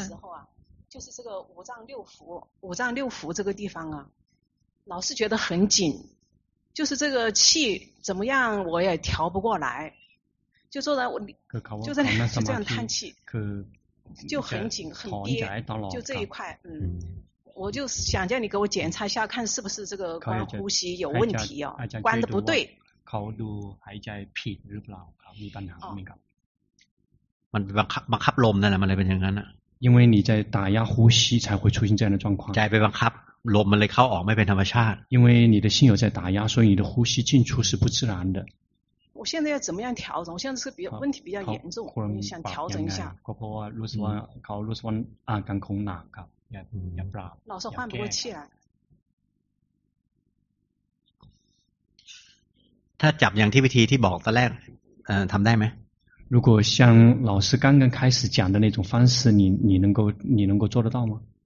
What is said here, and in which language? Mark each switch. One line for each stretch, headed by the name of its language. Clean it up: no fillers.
Chinese: 的时候啊，就是这个五脏六腑这个地方啊，老是觉得很紧，就是这个气怎么样我也调不过来，就坐在我就在那这样叹气，就很紧很跌，就这一块，我就想叫你给我检查一下，看是不是这个观呼吸有问题哦，观的不对。
Thai: เขาดูหายใจผิดหรือเปล่ามีปัญหาไหมครับ มันบังคับลมนั่นแหละมันเลยเป็นอย่างนั้นอ่ะ
Chinese: 因为你在打压呼吸才会出现这样的状况
Thai: ใจไปบังคับลมมันเลยเข้าออกไม่เป็นธรรมชาติ
Chinese: 因为你的心有在打压所以你的呼吸进出是不自然的我现在要怎么样调整我现在是问题比较严重想调整一下
Thai: เพราะว่ารู้สึกว่าเขารู้สึกว่าอาการคงหนักครับยังเปล่า
Chinese: 老是换不过气来
Thai: ถ้าจับอย่างที่วิธีที่บอกตอนแรกทำได้ไหม
Chinese: 如果像老师刚刚开始讲的那种方式你能够做得到吗